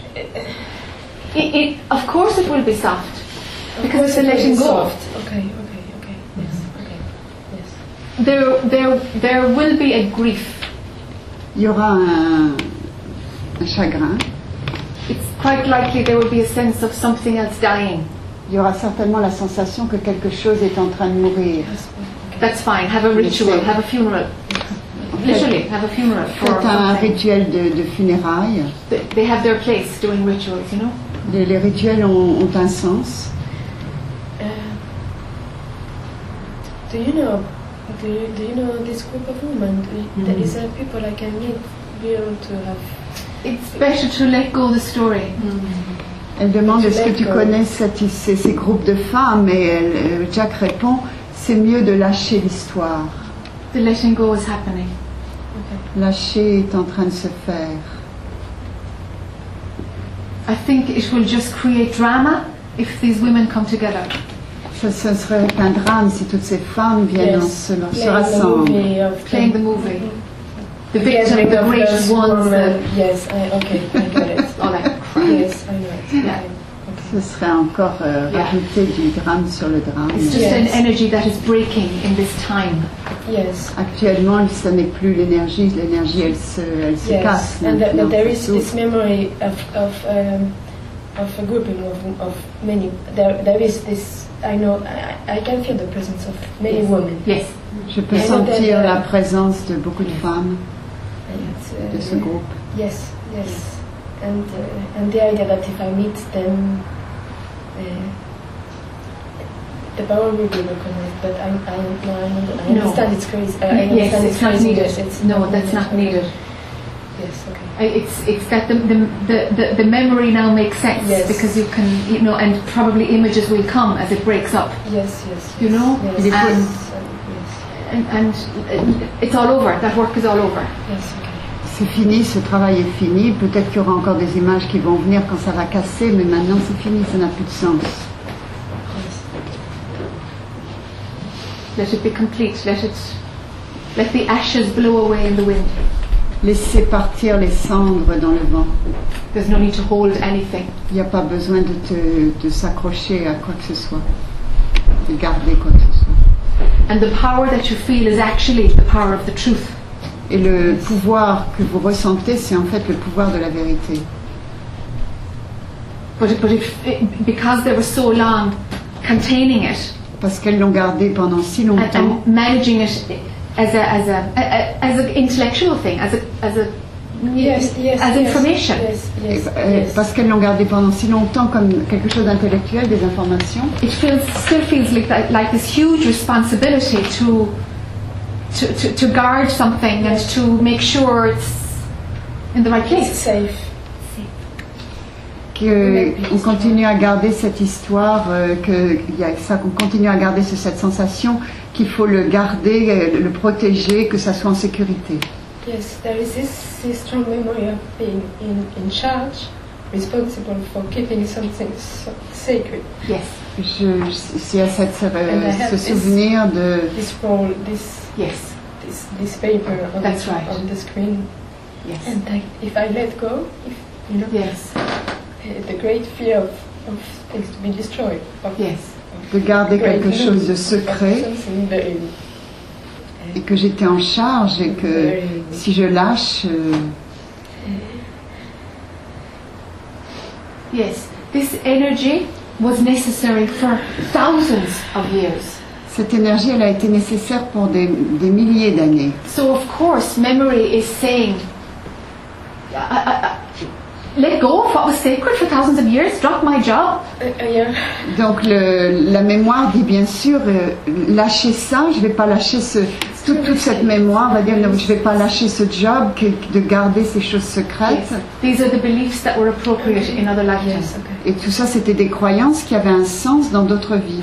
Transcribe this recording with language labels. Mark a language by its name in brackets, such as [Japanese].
[English] It, of course it will be soft. Because it's letting go. Soft. Okay. Yes. Okay. Yes. There will be a grief. [French] Il y aura un chagrin. [English] It's quite likely there will be a sense of something else dying. [French] Il y aura certainement la sensation que quelque chose est en train de mourir. [English] That's fine. Have a ritual. Have a funeral. Literally, have a funeral. [French] Faites un rituel de funérailles. [English] They have their place doing rituals, you know. [French] Les rituels ont un sens. [English] Do you know do you know this group of women? Mm-hmm. Is there people I can meet, be able to have? It's better to let go of the story. Mm-hmm. [French] Elle demande est-ce que tu connais ces groupes de femmes, et Jack répond c'est mieux de lâcher l'histoire. [English] The letting go is happening. [French] Okay. Lâcher est en train de se faire. [English] I think it will just create drama if these women come together. [French] Ce serait un drame si toutes ces femmes viennent se rassembler. [English] Playing the movie. The victim, yes, the great ones. Yes, okay, I get it. Yes, I know it. Yeah. [French] Okay. Ce serait encore rajouter du drame sur le drame. [English] It's just an energy that is breaking in this time. Yes. [French] Actuellement, ce n'est plus l'énergie. L'énergie, elle se casse. [English] Yes, and there is this memory of a grouping of many. There is this, I know, I can feel the presence of many women. Yes. [French] Je peux sentir la présence de beaucoup de femmes de ce groupe. [English] Yes, yes. And and the idea that if I meet them, the power will be recognized. But I understand it's crazy. It's not needed. That's not needed. Yes, okay. It's that the memory now makes sense, yes, because you can, you know, and probably images will come as it breaks up. Yes, yes. You know? Yes. And it's all over. That work is all over. Yes, okay. [French] C'est fini, ce travail est fini. Peut-être qu'il y aura encore des images qui vont venir quand ça va casser, mais maintenant c'est fini, ça n'a plus de sens. [English] Yes. Let it be complete. Let the ashes blow away in the wind. [French] Laissez partir les cendres dans le vent. [English] There's no need to hold anything. [French] Il n'y a pas besoin de s'accrocher à quoi que ce soit, de garder quoi que ce soit. [English] And the power that you feel is actually the power of the truth. [French] Et le pouvoir que vous ressentez, c'est en fait le pouvoir de la vérité. [English] But because they were so long containing it. [French] Parce qu'elles l'ont gardé pendant si longtemps. [English] And managing it as an intellectual thing, as information. Yes. [French] Parce qu'elles l'ont gardé pendant si longtemps comme quelque chose d'intellectuel, des informations. [English] It still feels like this huge responsibility to guard something, yes, and to make sure it's in the right place. It's safe. [French] Qu'on continue à garder cette histoire, qu'on continue à garder cette sensation qu'il faut le garder, le protéger, que ça soit en sécurité. [English] Yes, there is this strong memory of being in charge, responsible for keeping something sacred. Yes. [French] Ce souvenir de. [English] This role, this. Yes. This paper on That's the, right. on the screen. Yes. And if I let go, if you know. Yes. The great fear of things to be destroyed. Yes. [French] De garder quelque chose de secret. Et que j'étais en charge et que si je lâche. [English] Yes, this energy was necessary for thousands of years. [French] Cette énergie, elle a été nécessaire pour des milliers d'années. [English] So of course, memory is saying. Let go of what was sacred for thousands of years. Drop my job. [French] Donc la mémoire dit bien sûr lâcher ça. Je vais pas lâcher toute cette mémoire. Va dire je vais pas lâcher ce job de garder ces choses secrètes. [English] Yes. These are the beliefs that were appropriate in other lives. Yes. Okay. [French] Et tout ça c'était des croyances qui avaient un sens dans d'autres vies.